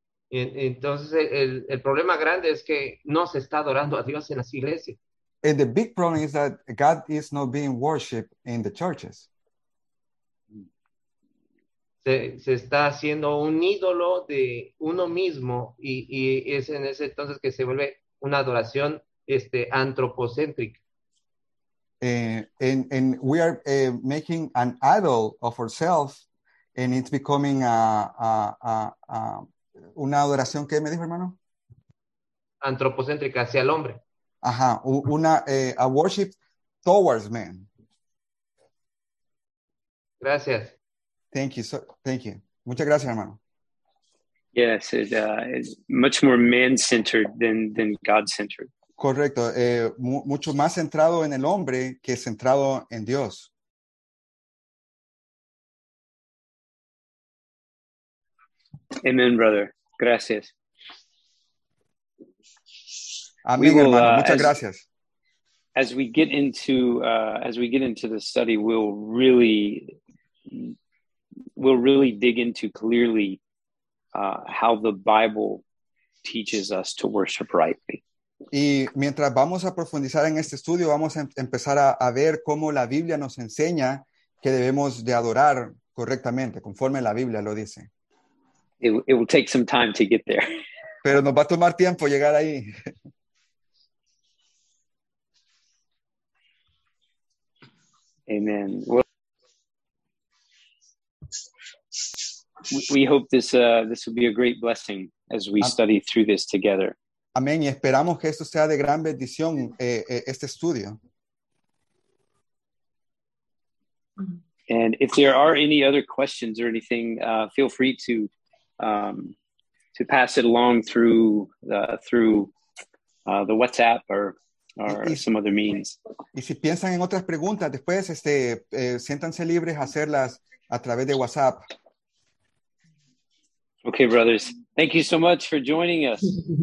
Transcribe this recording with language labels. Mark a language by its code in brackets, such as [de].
[es] Entonces el problema grande es que no se está adorando a Dios en las iglesias. [en] And the big problem is that God is not being worshipped in the churches. [es] Se está haciendo un ídolo de uno mismo y es en ese entonces que se vuelve una adoración antropocéntrica. [en] And we are making an idol of ourselves and it's becoming [es] una adoración, ¿qué me dijo, hermano? Antropocéntrica, hacia el hombre. [en] Ajá, a worship towards man. [es] Gracias. [en] Thank you. [es] Muchas gracias, hermano. [en] Yes, it's much more man-centered than God-centered. [es] Correcto, mucho más centrado en el hombre que centrado en Dios. [en] Amen, brother. [es] Gracias. Amigo, hermano, muchas gracias. [en] As we get into the study, we'll really dig into clearly how the Bible teaches us to worship rightly. [es] Y mientras vamos a profundizar en este estudio, vamos a empezar a ver cómo la Biblia nos enseña que debemos de adorar correctamente, conforme la Biblia lo dice. [en] It will take some time to get there. [es] Pero nos va a tomar tiempo llegar ahí. [en] Amen. Well, we hope this will be a great blessing as we study through this together. [es] Amén. Y esperamos que esto sea de gran bendición este estudio. [en] And if there are any other questions or anything, feel free to pass it along through the WhatsApp or some other means. [es] Y si piensan en otras preguntas, después siéntanse libres a hacerlas a través de WhatsApp. [en] Okay, brothers. Thank you so much for joining us.